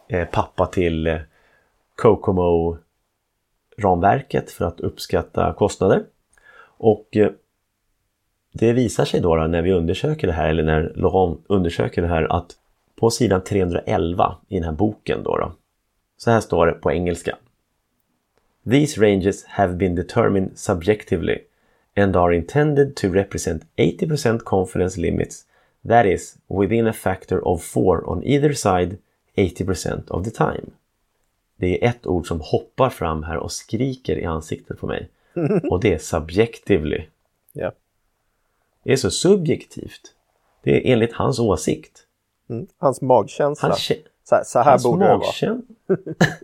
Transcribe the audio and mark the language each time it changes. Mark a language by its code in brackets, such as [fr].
[sv] Pappa till Kokomo-ramverket för att uppskatta kostnader. Och det visar sig då när vi undersöker det här, eller när Laurent undersöker det här, att på sidan 311 i den här boken då, så här står det på engelska. [en] These ranges have been determined subjectively and are intended to represent 80% confidence limits, that is, within a factor of 4 on either side 80% of the time. [sv] Det är ett ord som hoppar fram här och skriker i ansiktet på mig. Och det är subjectively. Ja. Yeah. Det är så subjektivt. Det är enligt hans åsikt. Mm, hans magkänsla. Så här borde det vara.